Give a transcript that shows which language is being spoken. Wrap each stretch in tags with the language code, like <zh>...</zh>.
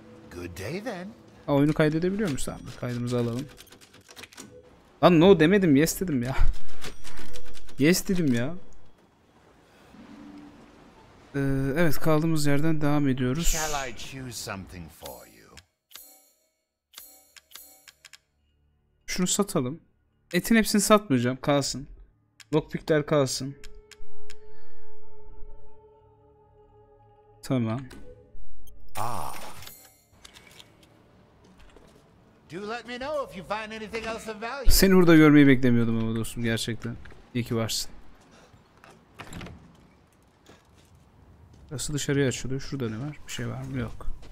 <en>Good day then.</en> <tr>Ha, oyunu kaydedebiliyor muyuz abi? Kaydımızı alalım. Lan no demedim, yes dedim ya. Yes dedim ya. Evet, kaldığımız yerden devam ediyoruz.</tr> <en>Shall I choose something for you?</en> <tr>Şunu satalım. Etin hepsini satmayacağım, kalsın. Lockpickler kalsın. Tamam. Ah.</tr> <en>Do let me know if you find anything else of value.</en> <tr>Seni burada görmeyi beklemiyordum ama dostum, gerçekten. İyi ki varsın. Burası dışarıya açılıyor. Şurada ne var? Bir şey var mı? Yok.</tr>